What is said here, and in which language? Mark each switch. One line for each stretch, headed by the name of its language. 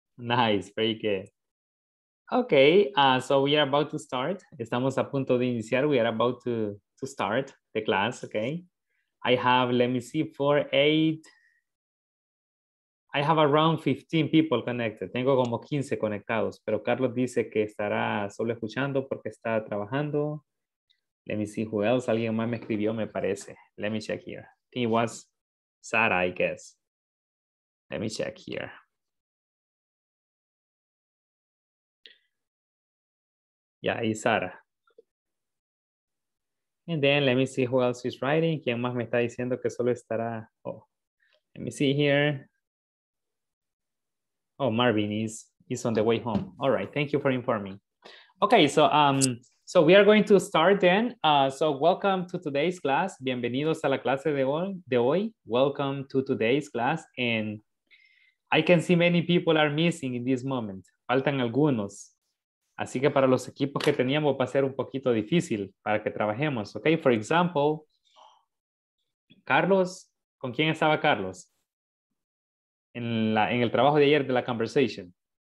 English: Nice, very good. Okay, so we are about to start.
Spanish: Estamos a punto de iniciar.
English: We are about to start the class, okay? I have, let me see, I have around 15 people connected.
Spanish: Tengo como 15 conectados, pero Carlos dice que estará solo escuchando porque está trabajando.
English: Let me see who else. Alguien más me escribió, me parece. Let me check here. I think it was Sara, I guess. Let me check here. Yeah, it's Sara. And then let me see who else is writing.
Spanish: ¿Quién más me está diciendo que solo estará?
English: Oh, let me see here. Oh, Marvin is on the way home. All right, thank you for informing. Okay, so so we are going to start then. So welcome to today's class.
Spanish: Bienvenidos a la clase de hoy. Welcome to today's class.
English: And I can see many people are missing in this moment.
Spanish: Faltan algunos. Así que para los equipos que teníamos va a ser un poquito difícil para que trabajemos. Ok, for example, Carlos, ¿con quién estaba Carlos? En el trabajo de ayer de la conversation.